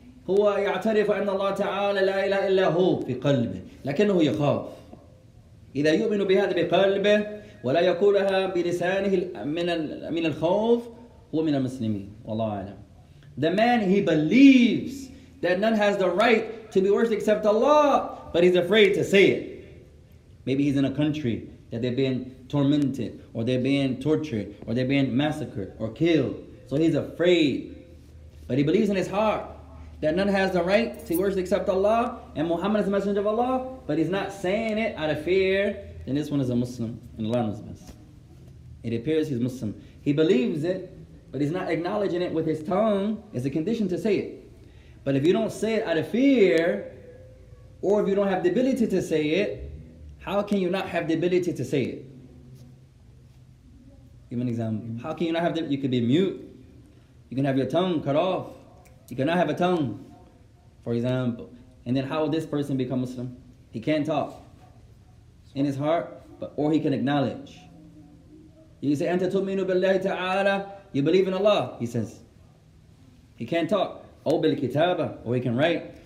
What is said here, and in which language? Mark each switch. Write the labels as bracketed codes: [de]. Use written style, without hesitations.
[ar] هو يعترف أن الله تعالى لا إله إلا هو في قلبه. لكنه يخاف. إذا يؤمن بهذا بقلبه ولا يقولها بلسانه من الخوف هو من المسلمين. والله أعلم. [en] The man, he believes that none has the right to be worshipped except Allah, but he's afraid to say it. Maybe he's in a country that they've been tormented, or they've been tortured, or they've been massacred, or killed. So he's afraid. But he believes in his heart that none has the right to be worshipped except Allah, and Muhammad is the messenger of Allah, but he's not saying it out of fear. Then this one is a Muslim, and Allah knows best. It appears he's Muslim. He believes it, but he's not acknowledging it with his tongue. It's a condition to say it. But if you don't say it out of fear, or if you don't have the ability to say it, how can you not have the ability to say it? Give an example. How can you not have the, you could be mute. You can have your tongue cut off. You cannot have a tongue, for example. And then how will this person become Muslim? He can't talk in his heart, but or he can acknowledge. You say, [ar] أنت تؤمن بالله تعالى. [en] You believe in Allah, he says. He can't talk. [ar] أو بالكتابة, [en] or he can write.